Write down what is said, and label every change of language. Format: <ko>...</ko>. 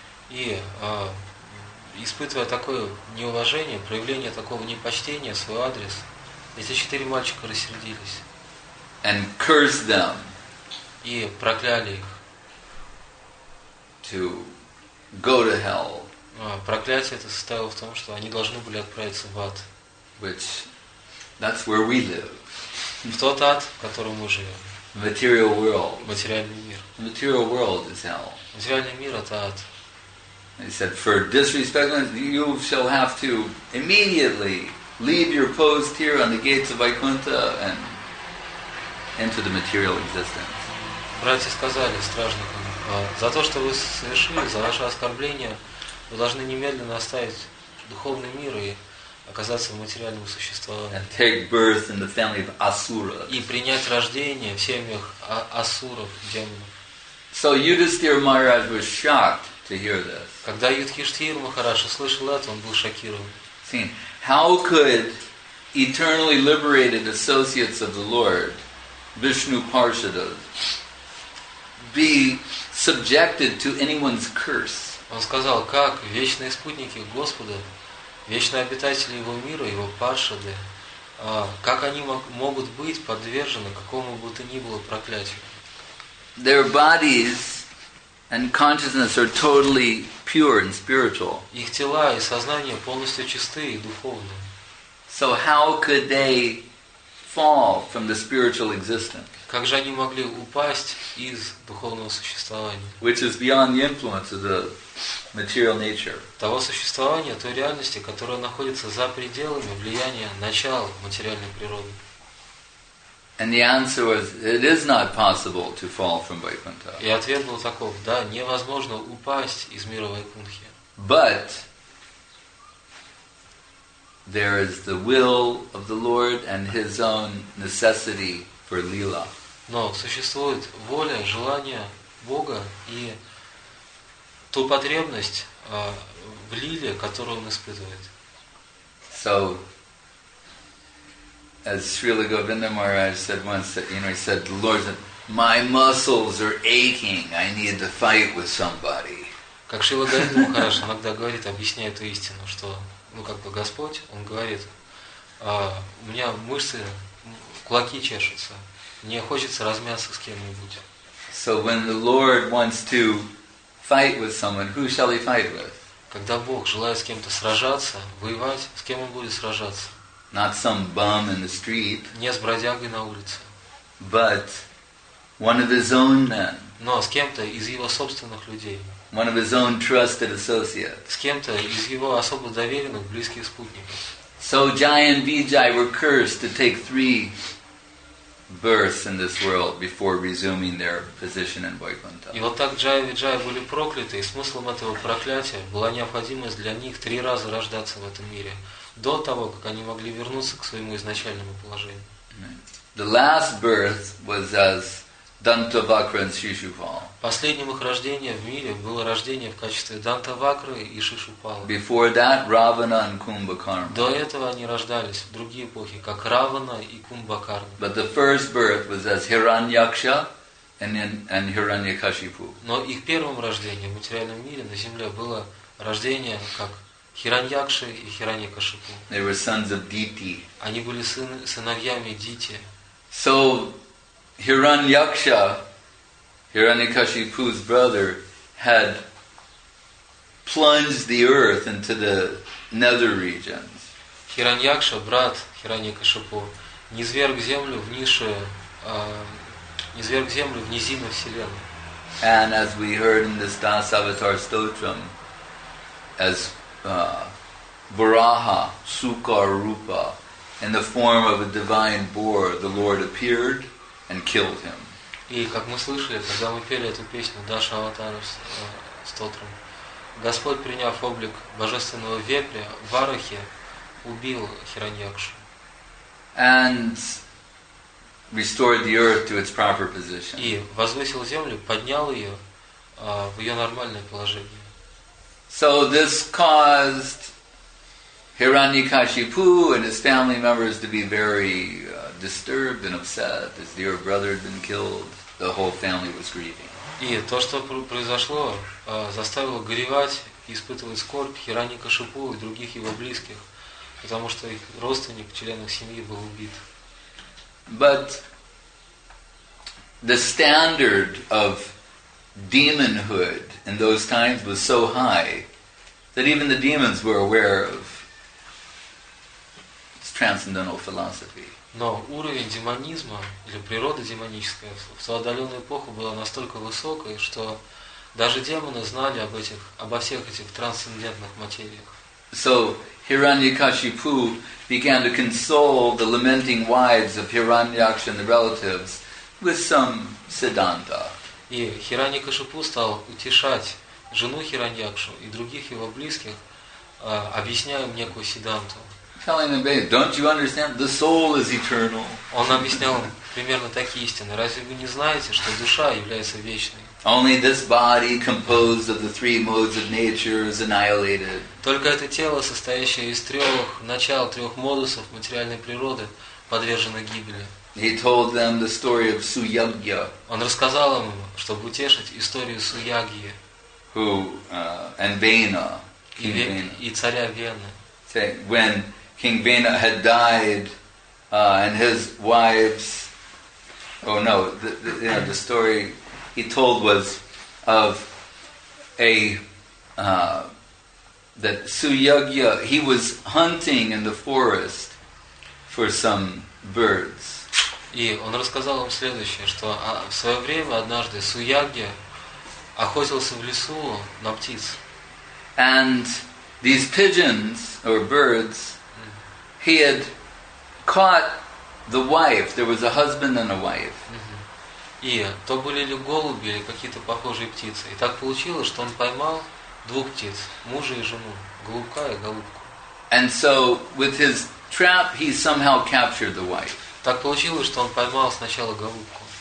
<ru>И испытывая такое неуважение, проявление такого непочтения в свой адрес, эти четыре мальчика рассердились.</ru> <en>And cursed them.</en> <ru>И прокляли их.</ru> <en>To go to hell.</en> <ru>Проклятие это состояло в том, что они должны были отправиться в ад.</ru> <en>which that's where we live.</en> <ru>В тот ад, в котором мы живем.</ru> <en>Material world.</en> <ru>Материальный мир.</ru> <en>Material world is hell.</en> <ru>Материальный мир — это ад.</ru> <en>He said, for disrespect, you shall have to immediately leave your post here on the gates of Vaikuntha and enter the material existence.</en> <ru>Братья сказали стражникам, за то, что вы совершили, за ваше оскорбление, вы должны немедленно оставить духовный мир и оказаться в материальном существовании.</ru> <en>And take birth in the family of Asura.</en> <ru>И принять рождение в семьях асуров, демонов.</ru> <en>So Yudhisthira Maharaj was shocked to hear this.</en> <ru>Когда Юдхиштхир Махараш услышал это, он был шокирован.</ru> <en>See, how could eternally liberated associates of the Lord, Vishnu Parshadas, be subjected to anyone's curse?</en> <ru>Он сказал, как вечные спутники Господа, вечные обитатели Его мира, Его Паршады, как они могут быть подвержены какому бы то ни было проклятию?</ru> <en>Their bodies and consciousness are totally pure and spiritual.</en> <ru>Их тела и сознание полностью чисты и духовны.</ru> <en>So how could they fall from the spiritual existence?</en> <ru>Как же они могли упасть из духовного существования?</ru> <en>Which is beyond the influence of the material nature.</en> <ru>Того существования, той реальности, которая находится за пределами влияния начала материальной природы.</ru> <en>And the answer was, it is not possible to fall from Vaikuntha.</en> <ru>И ответ был таков: да, невозможно упасть из мира Вайкунхи.</ru> <en>But there is the will of the Lord and His own necessity for lila.</en> <ru>Но существует воля, желание Бога и ту потребность в лиле, которую Он испытывает.</ru> <en>So, as Srila Govinda Maharaj said once, that, you know, he said, the Lord said, my muscles are aching, I need to fight with somebody.</en> <ru>Как Шрила Говинда Махарадж иногда говорит, объясняя эту истину, что, ну, как бы Господь, Он говорит, у меня мышцы, кулаки чешутся, мне хочется размяться с кем-нибудь.</ru> <en>So when the Lord wants to fight with someone, who shall He fight with?</en> <ru>Когда Бог желает с кем-то сражаться, воевать, с кем Он будет сражаться?</ru> <en>Not some bum in the street.</en> <ru>Не с бродягой на улице.</ru> <en>But one of his own men.</en> <ru>Но с кем-то из его собственных людей.</ru> <en>One of his own trusted associates.</en> <ru>С кем-то из его особо доверенных близких спутников.</ru> <en>So Jai and Vijay were cursed to take three births in this world before resuming their position in Vaikuntha.</en> <ru>И вот так Джай и Виджай были прокляты, и смыслом этого проклятия была необходимость для них три раза рождаться в этом мире, до того, как они могли вернуться к своему изначальному положению.</ru> <en>The last birth was as Dantavakra and Shishupal.</en> <ru>Последним их рождение в мире было рождение в качестве Дантавакры и Шишупала.</ru> <en>Before that, Равана and Кумбакарна.</en> <ru>До этого они рождались в другие эпохи, как Равана и Кумбакарна.</ru> <en>But the first birth was as Hiranyaksha and Hiranyakashipu.</en> <ru>Но их первым рождением в материальном мире на Земле было рождение как Хираньякши и Хираньякашипу.</ru> <en>They were sons of Дити.</en> <ru>Они были сыновьями Дити.</ru> <en>So Hiranyaksha, Hiranyakashipu's brother, had plunged the earth into the nether regions.</en> <ru>Хираньякша, брат Хираньякашипу, низверг землю в нише, низверг землю в низины вселенной.</ru> <en>And as we heard in the Das Avatar Stotram, as Varaha, Sukar Rupa, in the form of a divine boar, the Lord appeared and killed him.</en> <ru>И как мы слышали, когда мы пели эту песню Даша Аватара Стотром, Господь, приняв облик божественного вепря Варахи, убил Хираньякшу.</ru> <en>And restored the earth to its proper position.</en> <ru>И возвысил землю, поднял ее в ее нормальное положение.</ru> <en>So this caused Hiranyakashipu and his family members to be very disturbed and upset. His dear brother had been killed. The whole family was grieving.</en> <ru>И то, что произошло, заставило горевать и испытывать скорбь Хиранья-Кашипу и других его близких, потому что их родственник, член их семьи, был убит.</ru> <en>But the standard of demonhood in those times was so high that even the demons were aware of transcendental philosophy.</en> <ru>Но уровень демонизма или природа демоническая в отдаленную эпоху была настолько высокой, что даже демоны знали об этих, обо всех этих трансцендентных материях.</ru> <en>So Hiranyakashipu began to console the lamenting wives of Hiranyaksha and the relatives with some siddhanta.</en> <ru>И Хираньякашипу стал утешать жену Хираньякшу и других его близких, объясняя им некую сиддханту.</ru> <en>Telling them, "Hey, don't you understand? The soul is eternal."</en> <ru>Он объяснял примерно такие истины. Разве вы не знаете, что душа является вечной?</ru> <en>Only this body, composed of the three modes of nature, is annihilated.</en> <ru>Только это тело, состоящее из трех начал, трех модусов материальной природы, подвержено гибели.</ru> <en>He told them the story of Suyagya.</en> <ru>Он рассказал им, чтобы утешить, историю Суягьи.</ru> <en>Who and Vena, King Vena.</en> <ru>И царя Вены.</ru> <en>When King Vena had died, and his wives, oh no, the story he told was of a that Suyagya, he was hunting in the forest for some birds.</en> <ru>И он рассказал им следующее, что в свое время однажды Суягья охотился в лесу на птиц.</ru> <en>And these pigeons or birds, he had caught the wife. There was a husband and a wife.</en> <ru>И то были ли голуби или какие-то похожие птицы. И так получилось, что он поймал двух птиц, мужа и жену, голубка и голубку.</ru> <en>And so with his trap, he somehow captured the wife.</en> <ru>Так получилось, что он поймал сначала голубку.</ru>